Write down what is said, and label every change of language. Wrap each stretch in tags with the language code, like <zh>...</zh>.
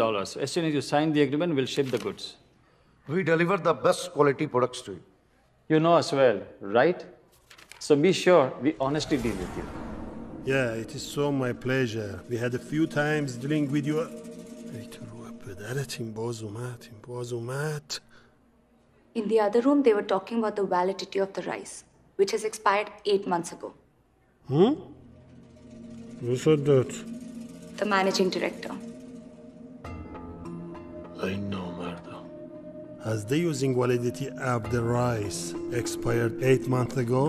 <en>As soon as you sign the agreement, we'll ship the goods. We deliver the best quality products to you. You know us well, right? So be sure we honestly deal with you. Yeah, it is so my pleasure. We had a few times dealing with you.</en> <fa>ای تو رو پدرت، این باز اومد، این باز اومد.</fa> <en>In the other room, they were talking about the validity of the rice, which has expired 8 months ago. Hmm? Who said that? The managing director. I know, Marta. Has the using validity of the rice expired 8 months ago?</en>